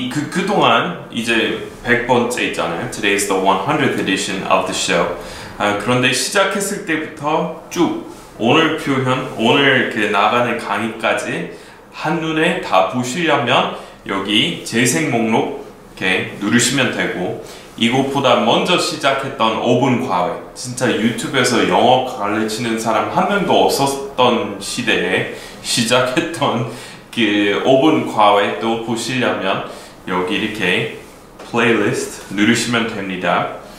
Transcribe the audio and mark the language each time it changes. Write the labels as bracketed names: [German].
[Korean] 그동안 이제 100번째 있잖아요. [English] Today is the 100th edition of the show. [Korean] 그런데 시작했을 때부터 쭉 오늘 표현, 오늘 그 나가는 강의까지 한눈에 다 보시려면 여기 재생 목록 이렇게 누르시면 되고, 이것보다 먼저 시작했던 5분 과외, 진짜 유튜브에서 영어 가르치는 사람 한 명도 없었던 시대에 시작했던 그 5분 과외 또 보시려면 여기 이렇게 플레이리스트 누르시면 됩니다.